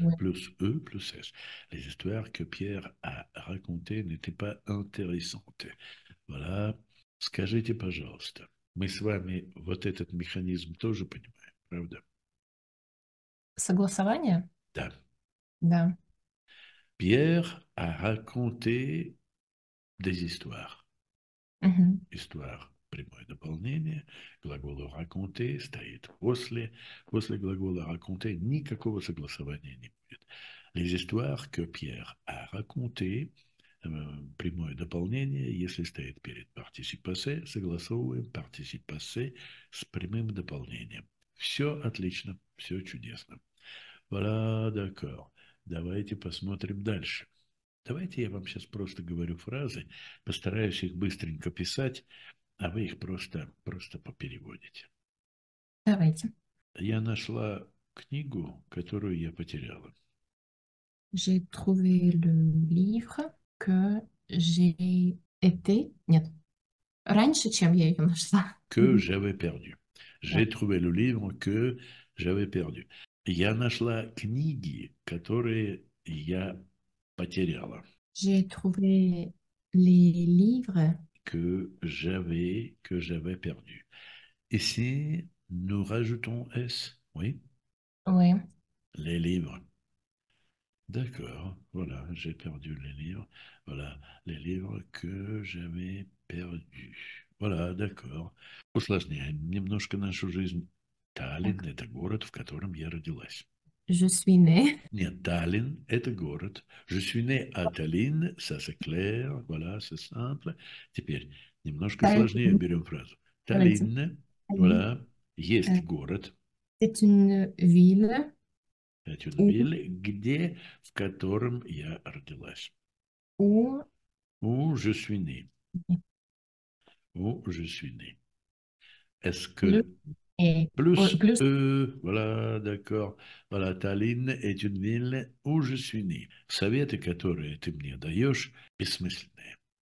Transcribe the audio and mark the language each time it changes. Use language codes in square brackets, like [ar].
[fr] Plus E, plus S. Les histoires que Pierre a racontées n'étaient pas intéressantes. [ru] Voilà. Скажите, пожалуйста. Мы с вами вот этот механизм тоже понимаем, правда? Согласование? Да. Да. [fr] Пьер a raconté des histoires. [ru] Histoire, прямое дополнение. Глагол raconter стоит после. После глагола raconter никакого согласования не будет. [fr] Les histoires que Пьер a racontées, [ru] прямое дополнение, если стоит перед participe passé, согласовываем participe passé с прямым дополнением. Все отлично, все чудесно. [fr] Voilà, d'accord. [ru] Давайте посмотрим дальше. Давайте я вам сейчас просто говорю фразы, постараюсь их быстренько писать, а вы их просто попереводите. Давайте. Я нашла книгу, которую я потеряла. [fr] J'ai trouvé le livre que j'ai été. [ru] Нет. Раньше, чем я ее нашла. [fr] Que j'avais perdu. J'ai trouvé le livre que j'avais perdu. [ru] Я нашла книги, которые я потеряла. [fr] J'ai trouvé les livres. Que j'avais perdu. Ici, nous rajoutons S, oui? Oui. Les livres. D'accord, voilà, j'ai perdu les livres. Voilà, les livres que j'avais perdus. Voilà, d'accord. [ru] Усложняем немножко нашу жизнь. Таллин – это город, в котором я родилась. [fr] Je suis né. [ru] Нет, Таллин – это город. [fr] Je suis né à Tallinn, ça c'est clair, voilà, c'est simple. [ru] Теперь немножко сложнее берем фразу. Таллин, voilà, есть город. [fr] C'est une ville [ru] Это [fr] une ville, [ru] где, в котором я родилась. [fr] où Où je suis né. Où je suis né. Est-ce le que et plus plus E, voilà, d'accord. Voilà, Tallinn est une ville où je suis né. [ru] Советы, которые ты мне даешь, бессмысленные.